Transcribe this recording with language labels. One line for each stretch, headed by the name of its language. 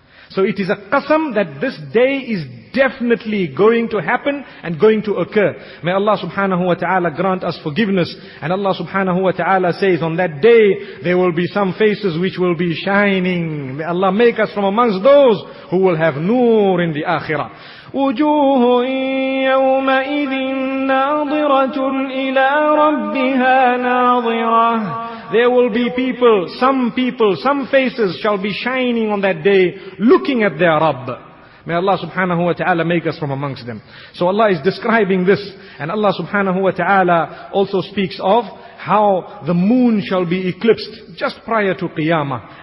English: So it is a qasam that this day is definitely going to happen and going to occur. May Allah subhanahu wa ta'ala grant us forgiveness. And Allah subhanahu wa ta'ala says, on that day there will be some faces which will be shining. May Allah make us from amongst those who will have noor in the akhirah.
Arabic: وجوه يومئذ ناظرة إلى ربها ناظرة.
English: There will be people, some faces shall be shining on that day, looking at their Rabb. May Allah subhanahu wa ta'ala make us from amongst them. So Allah is describing this, and Allah subhanahu wa ta'ala also speaks of how the moon shall be eclipsed just prior to Qiyamah.